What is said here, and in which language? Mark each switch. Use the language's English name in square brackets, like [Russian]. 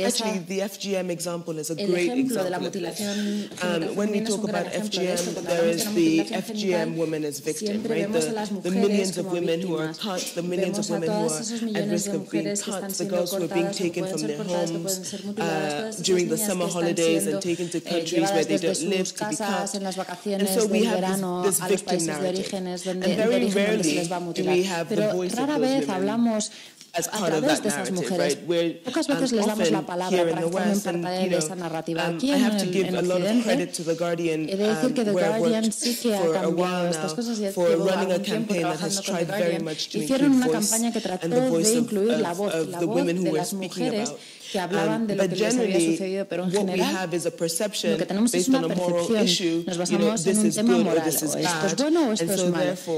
[Spanish] ese ejemplo de la mutilación genital femenina es un gran ejemplo de esto. Siempre vemos a las mujeres como víctimas. Vemos a todas esas millones de mujeres que están siendo cortadas, que pueden ser cortadas, que pueden ser mutiladas, todas [English] summer holidays and taken to countries where they don't live to be cut. [Spanish] En las vacaciones [English] so we have this victim narrative. And very rarely do we have the voice of those women as part of that narrative, right? Where, [Spanish] pocas veces les damos la palabra para que formen parte de esa narrativa. Aquí en Occidente, he de decir que The Guardian sí que ha cambiado estas cosas y estuvo un tiempo trabajando con The Guardian. Hicieron una campaña que trató de incluir la voz de las mujeres que hablaban de lo que les había sucedido, pero en general lo que tenemos es una percepción, nos basamos en un tema moral, o esto es bueno o esto es malo.